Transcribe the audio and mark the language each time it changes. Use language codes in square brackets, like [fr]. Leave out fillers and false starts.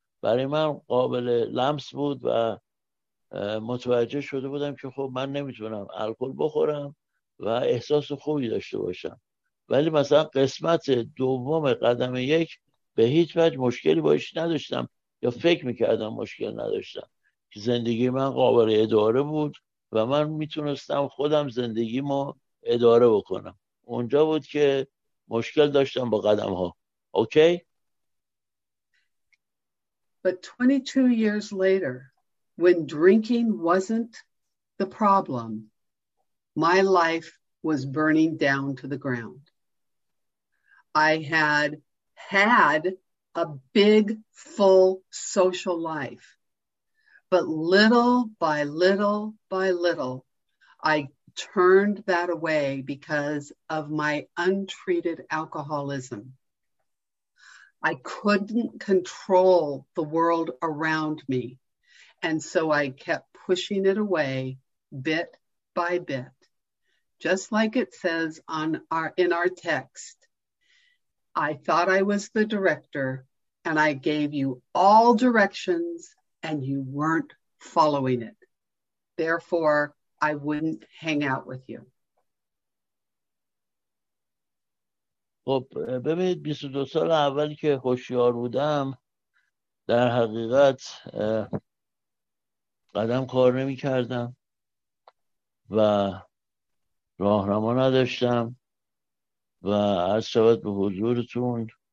[fa] برای من قابل لمس بود و متوجه شده بودم که خب من نمیتونم الکل بخورم و احساس خوبی داشته باشم، ولی مثلا قسمت دوم قدم یک به هیچ وجه مشکلی باش نداشتم یا فکر میکردم مشکل نداشتم، که زندگی من قابل اداره بود و من میتونستم خودم زندگیمو اداره بکنم. اونجا بود که مشکل داشتم با قدم ها. [en] Okay? But 22 years later, when drinking wasn't the problem, my life was burning down to the ground. I had had a big, full social life. But little by little by little, I turned that away because of my untreated alcoholism. I couldn't control the world around me. And so I kept pushing it away bit by bit. Just like it says in our text, I thought I was the director and I gave you all directions and you weren't following it. Therefore, I wouldn't hang out with you. [fa] خب ببینید 22 سال اول که هوشیار بودم در حقیقت قدم کار نمی کردم و راهنما نداشتم و از شبت به حضورتون